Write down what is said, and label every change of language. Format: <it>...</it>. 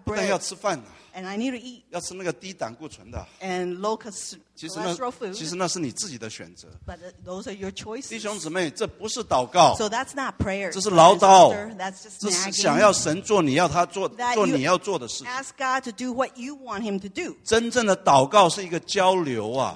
<zh>不但要吃饭啊。</zh> <en>And I need to eat.</en> <zh>要吃那个低胆固醇的。</zh> <en>And low cholesterol food.</en> <zh>其实那是你自己的选择。</zh> <en>But those are your choices.</en> <zh>弟兄姊妹，这不是祷告。</zh> <en>So that's not prayer.</en> <zh>这是唠叨。</zh> <en>That's just nagging.</en> <zh>这是想要神做你要他做做你要做的事情。</zh> <en>Ask God to do what you want him to do.</en> <zh>真正的祷告是一个交流啊。</zh>